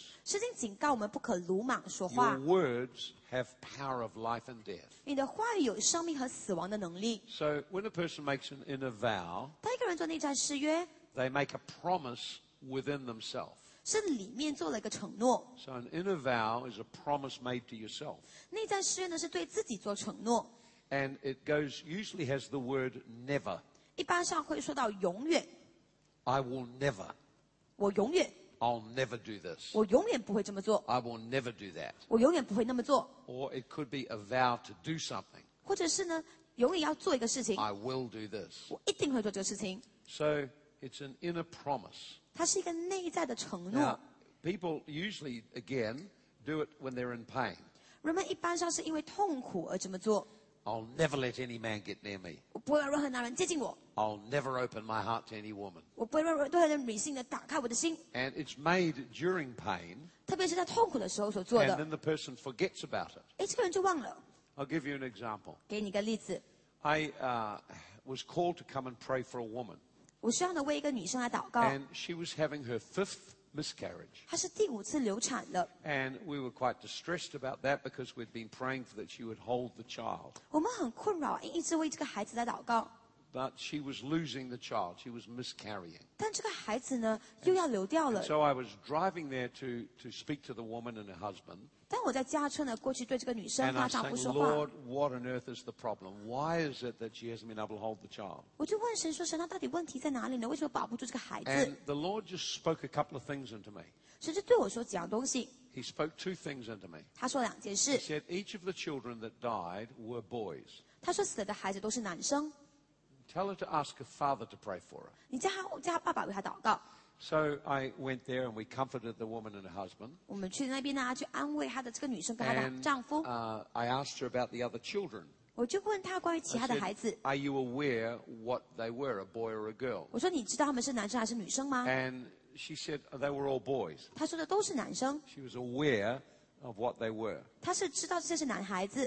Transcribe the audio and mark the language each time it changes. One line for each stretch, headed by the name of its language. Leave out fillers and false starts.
Chinese: 圣经警告我们不可鲁莽说话
English: Your words have power of life and death.
Chinese: 你的话语有生命和死亡的能力
English: So when a person makes an inner vow,
Chinese: 当一个人做内在誓约
English: they make a promise within themselves.
Chinese: 是里面做了一个承诺
English: So an inner vow is a promise made to yourself.
Chinese: 内在誓约呢是对自己做承诺
English: And it goes, usually has the word never.
Chinese: 一般上会说到永远。
English: I will never.
Chinese: 我永远。
English: I'll never do this.
Chinese: 我永远不会这么做。
English: I will never do that.
Chinese: 我永远不会那么做。
English: Or it could be a vow to do something.
Chinese: 或者是呢，永远要做一个事情。
English: I will do this.
Chinese: 我一定会做这个事情。
English: So it's an inner promise.
Chinese: 它是一个内在的承诺。
English: Now, people usually, again, do it when they're in pain.
Chinese: 人们一般上是因为痛苦而这么做。
English: I'll never let any man get near me.
Chinese: 我不会让任何男人接近我。
English: I'll never open my heart to any woman.
Chinese: 我不会让任何人理性的打开我的心。
English: And it's made during pain.
Chinese: 特别是在痛苦的时候所做的。
English: And then the person forgets about it.
Chinese: 这个人就忘了。
English: I'll give you an example.
Chinese: 给你个例子。
English: I was called to come and pray for a woman.
Chinese: 我希望呢为一个女生来祷告。
English: And she was having her fifth miscarriage.
Chinese: 她是第五次流产了。
English: And we were quite distressed about that because we'd been praying for that she would hold the child.
Chinese: 我们很困扰，一直为这个孩子在祷告。
English: But she was losing the child. She was miscarrying.
Chinese: 但这个孩子呢，又要流掉了。
English: So I was driving there to speak to the woman and her husband.
Chinese: 但我在驾车呢，过去对这个女生她丈夫说话。
English: And I said, Lord, what on earth is the problem? Why is it that she hasn't been able to hold the child?
Chinese: 我就问神说，神，那到底问题在哪里呢？为什么保不住这个孩子
English: ？And the Lord just spoke a couple of things into me.
Chinese: 神就对我说几样东西。
English: He spoke two things into me.
Chinese: 他说两件事。
English: He said each of the children that died were boys.
Chinese: 他说死了的孩子都是男生。
English: Tell her to ask her father to pray for her.
Chinese: 你叫他爸爸为他祷告。
English: So I went there and we comforted the woman and her husband.
Chinese: 我们去那边呢，去安慰她的这个女生跟她的丈夫。
English: I asked her about the other children.
Chinese: 我就问她关于其他的孩子。
English: Are you aware what they were, a boy or a girl?
Chinese: 我说你知道他们是男生还是女生吗？
English: And she said they were all boys.
Chinese: 她说的都是男生。
English: She was aware of what they were.
Chinese: 她是知道这些是男孩子。